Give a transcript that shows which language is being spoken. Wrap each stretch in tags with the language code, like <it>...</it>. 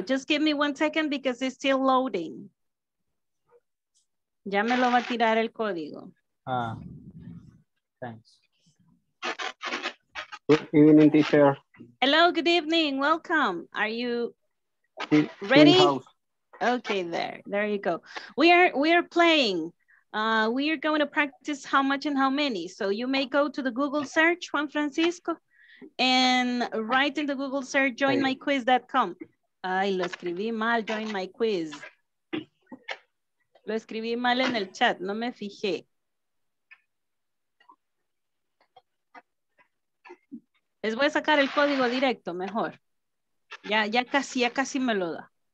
<en>Just give me 1 second because it's still loading.</en> <es>Ya me lo va a tirar el código.</es> <en>Ah, thanks. Good evening, teacher. Hello, good evening, welcome. Are you ready? Okay, there you go. We are playing. We are going to practice how much and how many. So you may go to the Google search, Juan Francisco, and write in the Google search, joinmyquiz.com.</en> <es>Ay, lo escribí mal, join my quiz. Lo escribí mal en el chat, no me fijé. Les voy a sacar el código directo, mejor. Ya casi me lo da.</es>